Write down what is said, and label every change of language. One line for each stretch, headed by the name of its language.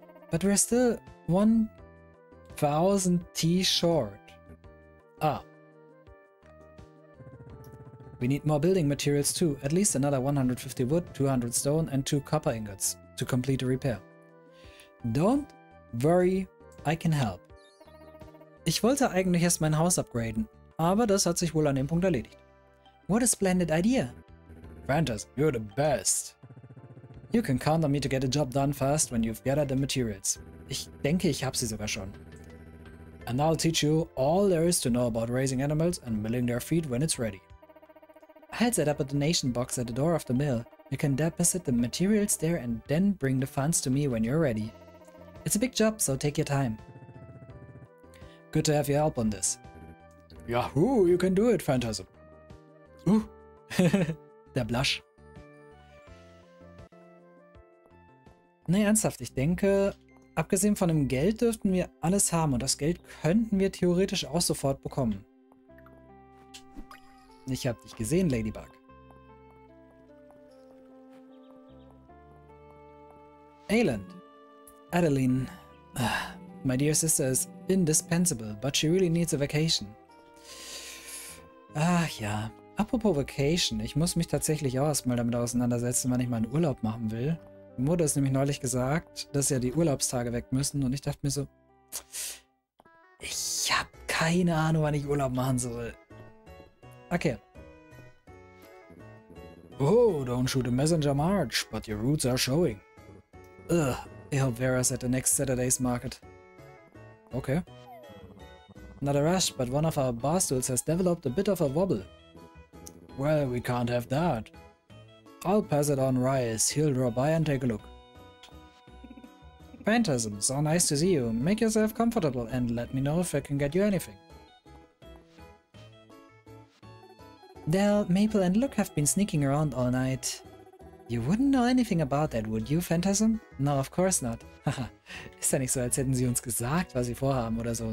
English: But we're still 1,000 T short. Ah. We need more building materials too, at least another 150 wood, 200 stone and 2 copper ingots to complete the repair. Don't worry, I can help.
German: Ich wollte eigentlich erst mein Haus upgraden, aber das hat sich wohl an dem Punkt erledigt.
English: What a splendid idea. Fantas, you're the best. You can count on me to get a job done fast when you've gathered the materials.
German: Ich denke, ich habe sie sogar schon.
English: And I'll teach you all there is to know about raising animals and milling their feed when it's ready. I'll set up a donation box at the door of the mill. You can deposit the materials there and then bring the funds to me when you're ready. It's a big job, so take your time. Good to have your help on this. Yahoo, you can do it, Phantasm.
German: Ooh. Der Blush. Nee, ernsthaft, ich denke, abgesehen von dem Geld dürften wir alles haben und das Geld könnten wir theoretisch auch sofort bekommen. Ich hab dich gesehen, Ladybug. Ayland. Adeline.
English: My dear sister is indispensable, but she really needs a vacation.
German: Ach ja. Apropos Vacation, ich muss mich tatsächlich auch erstmal damit auseinandersetzen, wann ich meinen Urlaub machen will. Mutter ist nämlich neulich gesagt, dass ja die Urlaubstage weg müssen und ich dachte mir so, ich hab keine Ahnung, wann ich Urlaub machen soll. Okay.
English: Oh, don't shoot a messenger march, but your roots are showing. Ugh, I hope Vera's at the next Saturday's market. Okay. Not a rush, but one of our bar stools has developed a bit of a wobble. Well, we can't have that. I'll pass it on Rice. He'll drop by and take a look. Phantasm, so nice to see you. Make yourself comfortable and let me know if I can get you anything. Del, Maple and Luke have been sneaking around all night. You wouldn't know anything about that, would you, Phantasm? No, of course not.
German: Haha, ist ja nicht so, als hätten sie uns gesagt, was sie vorhaben oder so.